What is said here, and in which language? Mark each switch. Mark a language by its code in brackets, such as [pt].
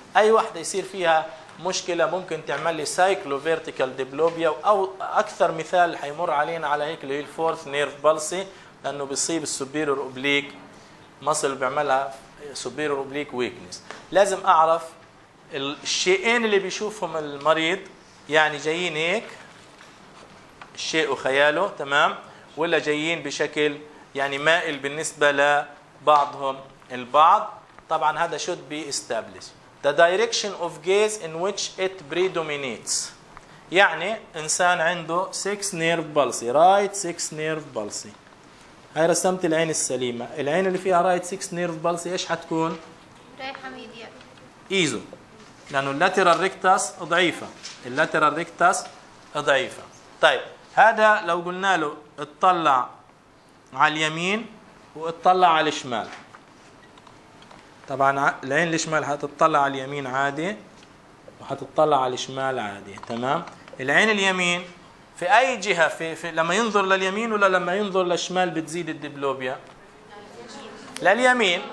[ar] اي واحده يصير فيها مشكله ممكن تعمل لي سايكلو فيرتيكال ديبلوبيا، او اكثر مثال حيمر علينا على هيك اللي هي الفورث نيرف بالسي، لانه بيصيب السوبيريور اوبليك ماسل بيعملها سوبيريور اوبليك ويكنس. لازم اعرف الشيئين اللي بيشوفهم المريض يعني جايين هيك شيء وخياله تمام، ولا جايين بشكل يعني مائل بالنسبة لبعضهم البعض. طبعا هذا [en] should be established. The direction of gaze in which it predominates. [ar] يعني إنسان عنده 6 nerve palsy. [en] Right 6 nerve palsy. [ar] هاي رسمت العين السليمة. العين اللي فيها [en] right 6 nerve palsy [ar] إيش حتكون؟ رايحة ميديا. إيزو. لأنه lateral rectus ضعيفة. lateral rectus ضعيفة. طيب هذا لو قلنا له اطلع على اليمين واطلع على الشمال. طبعا العين الشمال هتطلع على اليمين عادي وهتطلع على الشمال عادي تمام. العين اليمين في اي جهة في لما ينظر لليمين ولا لما ينظر للشمال بتزيد الدبلوبيا؟ لليمين.